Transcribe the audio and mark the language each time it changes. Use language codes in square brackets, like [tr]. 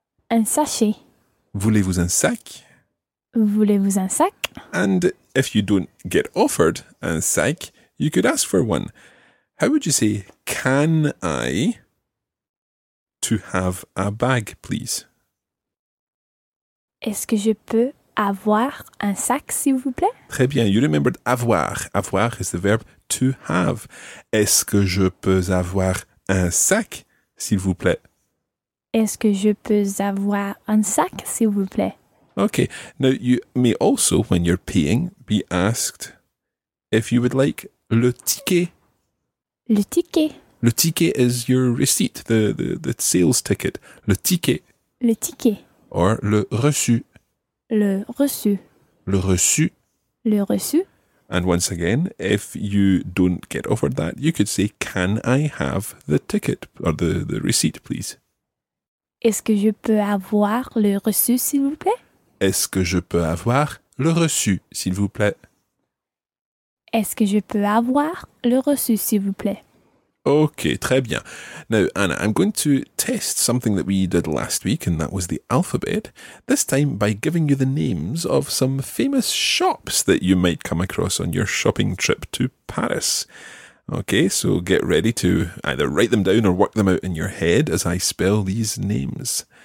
[fr] Un sachet. Voulez-vous un sac? Voulez-vous un sac? [en] And if you don't get offered un sac, you could ask for one. How would you say, can I to have a bag, please? [fr] Est-ce que je peux avoir un sac, s'il vous plaît? Très bien. [en] You remembered avoir. Avoir is the verb to have. [fr] Est-ce que je peux avoir un sac, s'il vous plaît? Est-ce que je peux avoir un sac, s'il vous plaît? [en] Okay. Now, you may also, when you're paying, be asked if you would like le ticket. [fr] Le ticket. [en] Le ticket is your receipt, the sales ticket. [fr] Le ticket. Le ticket. Or le reçu. Le reçu. Le reçu. Le reçu. [en] And once again, if you don't get offered that, you could say, can I have the ticket or the receipt, please? [fr] Est-ce que je peux avoir le reçu, s'il vous plaît? Est-ce que je peux avoir le reçu, s'il vous plaît? Est-ce que je peux avoir le reçu, s'il vous plaît? OK, très bien. [en] Now, Anna, I'm going to test something that we did last week, and that was the alphabet, this time by giving you the names of some famous shops that you might come across on your shopping trip to Paris. Okay, so get ready to either write them down or work them out in your head as I spell these names.